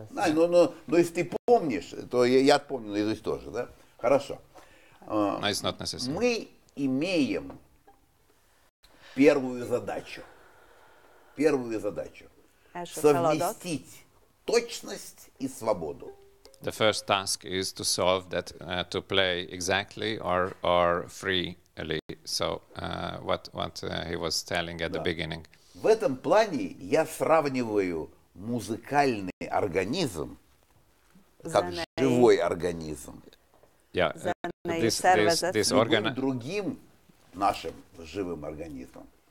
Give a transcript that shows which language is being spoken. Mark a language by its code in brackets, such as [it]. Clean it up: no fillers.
[ru] Да, но если ты помнишь, то я помню наизусть тоже, да? Хорошо. [en] No, it's not necessary. [ru] Мы имеем первую задачу. Первую задачу – совместить точность и свободу. [en] The first task is to solve that, to play exactly or freely. So he was telling at the beginning. [ru] В этом плане я сравниваю музыкальный организм как живой организм. [en] Yeah. This organ. [ru] Другим нашим живым организмом.